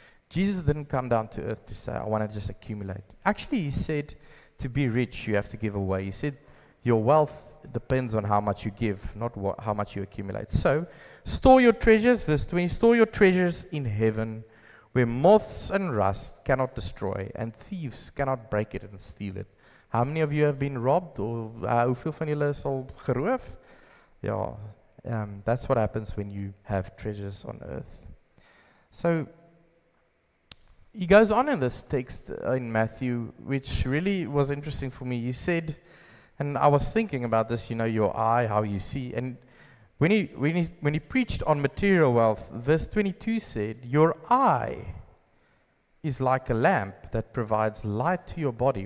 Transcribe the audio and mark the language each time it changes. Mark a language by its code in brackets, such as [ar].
[en] Jesus didn't come down to earth to say, I want to just accumulate. Actually, he said, to be rich, you have to give away. He said, your wealth depends on how much you give, not how much you accumulate. So, store your treasures, verse 20, store your treasures in heaven, where moths and rust cannot destroy, and thieves cannot break it and steal it. How many of you have been robbed? Or [af] hoeveel van julle is al geroof? [en] Yeah. That's what happens when you have treasures on earth. So, he goes on in this text in Matthew, which really was interesting for me. He said, and I was thinking about this, you know, your eye, how you see. And when he preached on material wealth, verse 22 said, your eye is like a lamp that provides light to your body.